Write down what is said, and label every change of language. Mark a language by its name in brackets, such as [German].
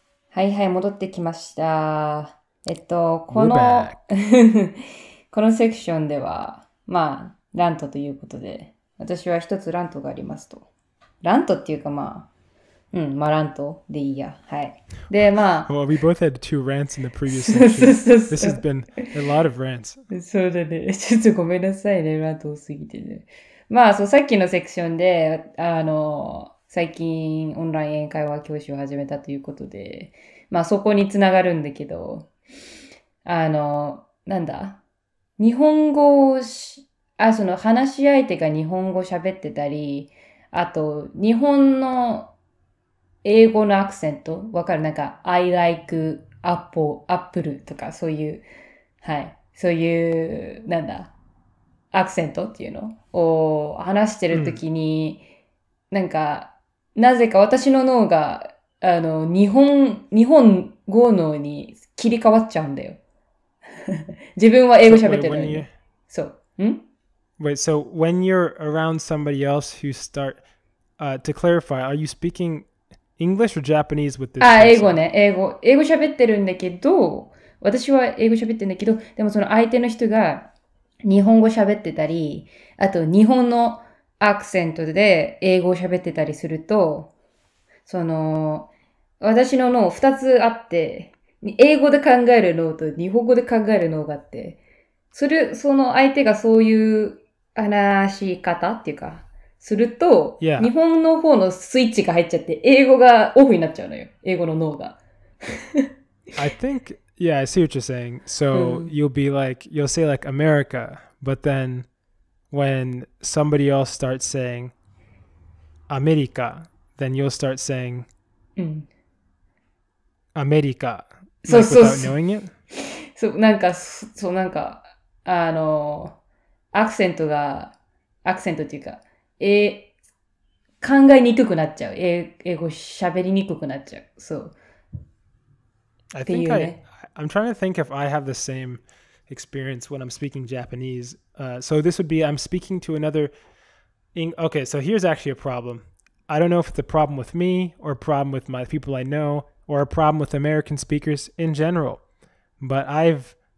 [Japanese] はいはい、戻ってきました。この、このセクションでは、まあ、ラントということで、私は一つラントがありますと。ラントっていうか、まあ、うん、まあ、ラントでいいや。はい。で、まあ。 [English] Well, we both had two rants in the previous session. This has been a lot of rants. [Japanese] そうだね。ちょっとごめんなさいね、ラント多すぎてね。まあ、そう、さっきのセクションで、最近オンライン会話教師を始めたということで、まあそこにつながるんだけど、なんだ、日本語をその話し相手が日本語喋ってたり、あと日本の英語のアクセントわかる、なんか [English] I like apple, apple [Japanese] とかそういう、はい、そういうなんだアクセントっていうのを話してるときに、うん、なんかなぜか私の脳が、日本語の脳に切り替わっちゃうんだよ。自分は英語喋ってるのに。そう。ん？ [English] Wait, so when you're around somebody else who start, to clarify, are you speaking English or Japanese with this person? [Japanese] あ、英語ね。英語喋ってるんだけど、私は英語喋ってるんだけど、でもその相手の人が日本語喋ってたり、あと日本のアクセントで英語を喋ってたりすると、その、私の脳二つあって、英語で考える脳と日本語で考える脳があって、その相手がそういう話し方っていうか、すると、 [English] yeah. [Japanese] 日本の方のスイッチが入っちゃって、英語がオフになっちゃうのよ。英語の脳が。 [English] I think, yeah, I see what you're saying. So,、うん、you'll be like, you'll say like America, but then,When somebody else starts saying America, then you'll start saying、 [Japanese] うん、アメリカ、 [English] like、 [Japanese] そうそうそう、 [English] knowing it? [Japanese] そう、なんか、そう、なんか、あの、アクセントが、アクセントっていうか、考えにくくなっちゃう。英語喋りにくくなっちゃう。そう。 [English] I think [Japanese] っていうね。 [English] I'm trying to think if I have the same experience when I'm speaking Japanese. So this would be, I'm speaking to another... Okay, so here's actually a problem. I don't know if it's a problem with me or a problem with my people I know or a problem with American speakers in general. But I've...